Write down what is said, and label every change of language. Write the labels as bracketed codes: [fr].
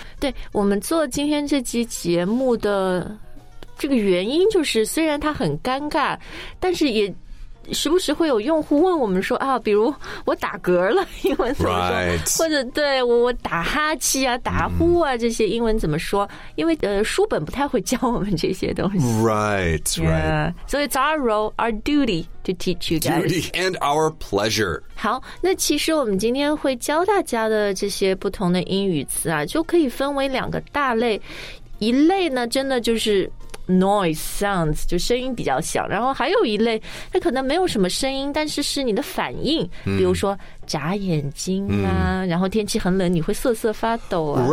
[zh] 对，我们做今天这期节目的这个原因就是，虽然它很尴尬，但是也时不时会有用户问我们说啊，比如我打嗝了，英文怎么说？ [en] Right. [zh] 或者对我打哈气啊、打呼啊、这些英文怎么说？因为书本不太会教我们这些东西。 [en] Right. So it's our role, our duty to teach you guys. Duty and our pleasure. [zh] 好，那其实我们今天会教大家的这些不同的英语词啊，就可以分为两个大类。一类呢，真的就是 [en] noise sounds, [zh] 就声音比较响，然后还有一类它可能没有什么声音，但是是你的反应，比如说眨眼睛啊，然后天气很冷你会瑟瑟发抖啊。